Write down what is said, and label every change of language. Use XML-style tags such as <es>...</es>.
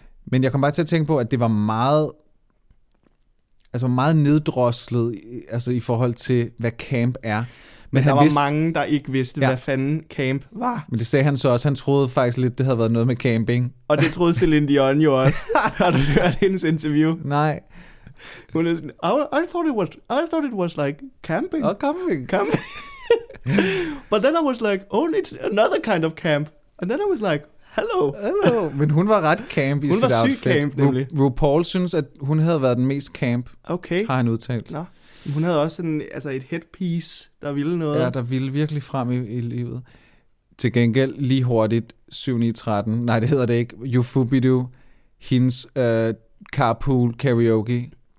<da>Men jeg kom bare til at tænke på, at det var meget, altså meget neddroslet, altså i forhold til, hvad camp er. Men der han var vidste, mange, der ikke vidste, ja. Hvad fanden camp var. Men det sagde han så også. Han troede faktisk lidt, det havde været noget med camping. Og det troede Celine Dion jo også. Har du hørt hendes interview? Nej. Hun er sådan,</da> <en>I thought it was like camping. Oh, camping. Camping. But then I was like, oh, it's another kind of camp. And then I was like, hello.</en> <da>Men hun var ret camp i hun sit var outfit. Syg camp, nemlig. RuPaul synes, at hun havde været den mest camp, okay. Har han udtalt. Nå. Hun havde også en, altså et headpiece, der ville noget. Ja, der ville virkelig frem i livet. Til gengæld lige hurtigt, 7-9-13, nej, det hedder det ikke, Yufubidu, hendes carpool karaoke.</da>